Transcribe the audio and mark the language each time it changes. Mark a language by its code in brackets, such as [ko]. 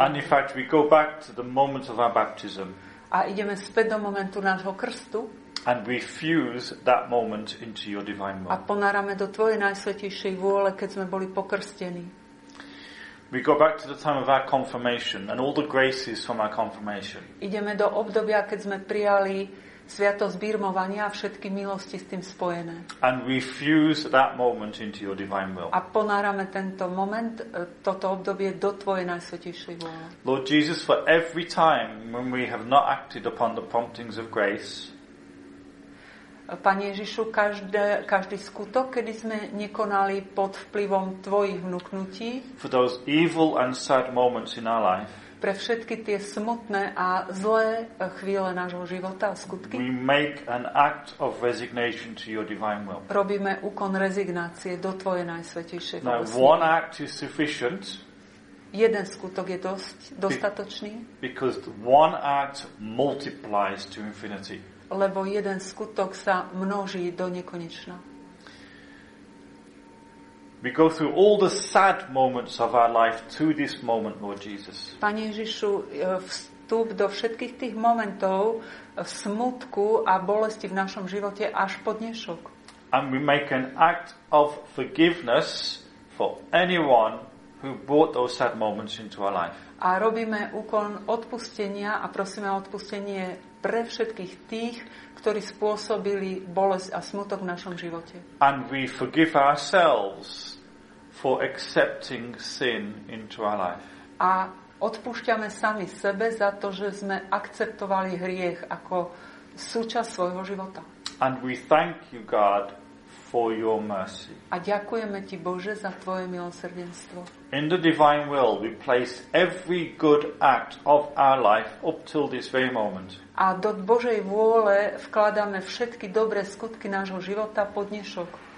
[en] And in fact, we go back to the moment of our baptism. [sk] A ideme späť do momentu nášho krstu. [en] And refuse that moment into your divine will. [sk] A ponárame do tvojej najsvätejšej vôle, keď sme boli pokrstení. [en] We go back to the time of our confirmation and all the graces from our confirmation. [sk] Ideme do obdobia, keď sme prijali sviatosť birmovania a všetky milosti s tým spojené. [en] And we fuse that moment into your divine will. [sk] A ponárame tento moment, toto obdobie do tvojej najsvätejšej vôle. [en] Lord Jesus, for every time when we have not acted upon the promptings of grace. [sk] Pane Ježišu, každý skutok, kedy sme nekonali pod vplyvom tvojich vnuknutí. [en] For those evil and sad moments in our life. [sk] Pre všetky tie smutné a zlé chvíle nášho života a skutky. [en] We make an act of resignation to your divine will. [sk] Robíme úkon rezignácie do tvojej najsvätejšej vôle. [en] Now one act is sufficient. [sk] Jeden skutok je dostatočný. [en] Because one act multiplies to infinity. [sk] Lebo jeden skutok sa množí do nekonečna. [en] We go through all the sad moments of our life to this moment, Lord Jesus. [sk] Pane Ježišu, vstup do všetkých tých momentov smutku a bolesti v našom živote až po dnešok. [en] And we make an act of forgiveness for anyone who brought those sad moments into our life. [sk] A robíme úkon odpustenia a prosíme o odpustenie pre všetkých tých, ktorí spôsobili bolesť a smutok v našom živote. [en] And we forgive ourselves for accepting sin into our life. [sk] A odpúšťame sami sebe za to, že sme akceptovali hriech ako súčasť svojho života. [en] And we thank you, God, for your mercy. [sk] A ďakujeme ti, Bože, za tvoje milosrdenstvo. [en] In the divine will we place every good act of our life up till this very moment. [sk] A do Božej vôle vkladáme všetky dobré skutky nášho života po dnešok.